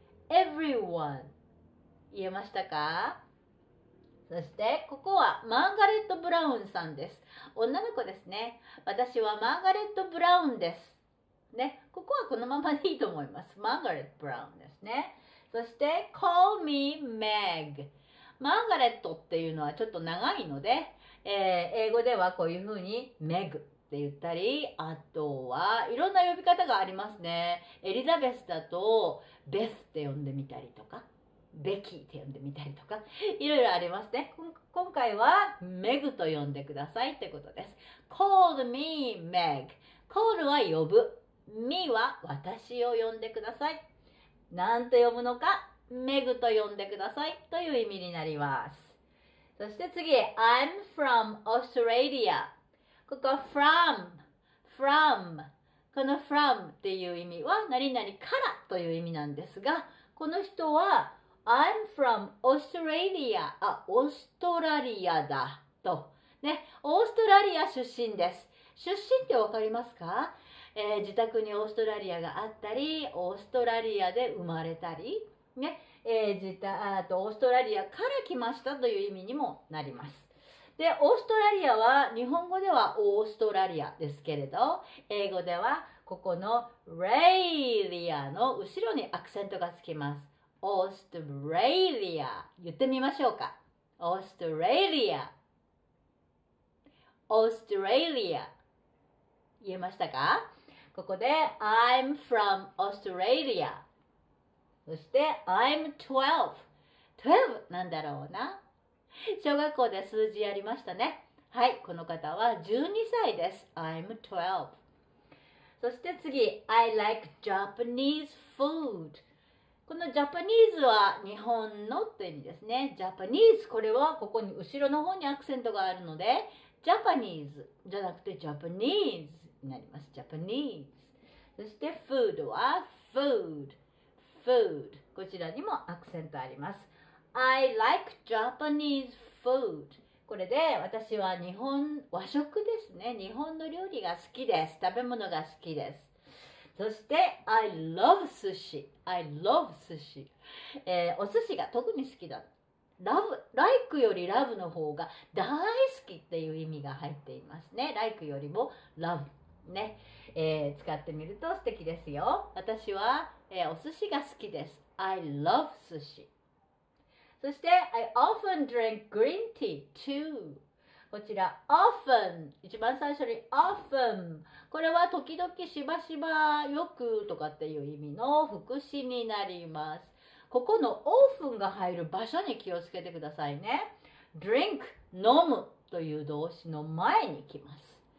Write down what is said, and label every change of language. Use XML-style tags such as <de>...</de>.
<ja>EveryoneEveryone、 言えましたか？そしてここはマーガレット・ブラウンさんです。女の子ですね。私はマーガレット・ブラウンです、ね、ここはこのままでいいと思います。マーガレット・ブラウンですね。</ja> <en>そして Call me Meg。</en> <ja>マーガレットっていうのはちょっと長いので、英語ではこういうふうに Meg って言ったり、あとはいろんな呼び方がありますね。エリザベスだとベスって呼んでみたりとか、ベキーって呼んでみたりとか、いろいろありますね。今回はメグと呼んでくださいってことです。</ja> <en>Call me Meg。</en> <ja>Call は呼ぶ、みは私を呼んでください。なんて読むのか、メグと呼んでくださいという意味になります。</ja> <en>そして次、 I'm from Australia。</en> <ja>ここ from、 この from っていう意味は何々からという意味なんですが、この人は</ja> <en>I'm from Australia、</en> <ja>あ、オーストラリアだとね、オーストラリア出身です。出身ってわかりますか？自宅にオーストラリアがあったり、オーストラリアで生まれたりね、オーストラリアから来ましたという意味にもなります。で、オーストラリアは日本語ではオーストラリアですけれど、英語ではここのレイリアの後ろにアクセントがつきます。オーストラリア、言ってみましょうか。オーストラリア、オーストラリア、言えましたか？</ja> <en>ここで I'm from Australia。</en> <ja>そして</ja> <en>I'm 12</en> <ja>なんだろうな。小学校で数字やりましたね。はい、この方は12歳です。</ja> <en>I'm 12。そして次、 I like Japanese food。</en> <ja>この Japanese は日本のって意味ですね。 Japanese、 これはここに後ろの方にアクセントがあるので、ジャパニーズじゃなくてジャパニーズになります。ジャパニーズ。そしてフードはフード、フード。こちらにもアクセントあります。</ja> <en>I like Japanese food。</en> <ja>これで私は日本和食ですね、日本の料理が好きです、食べ物が好きです。</ja> <en>そして I love sushi。 I love sushi、</en> <ja>お寿司が特に好きだ。ラブ、ライクよりラブの方が大好きっていう意味が入っていますね。ライクよりもラブね、使ってみると素敵ですよ。私は、お寿司が好きです。</ja> <en>I love 寿司。そして I often drink green tea too。</en> <ja>こちら often、 一番最初に often、 これは時々、しばしば、よくとかっていう意味の副詞になります。ここのオーフンが入る場所に気をつけてくださいね。 Drink、 飲むという動詞の前に来ます。</ja>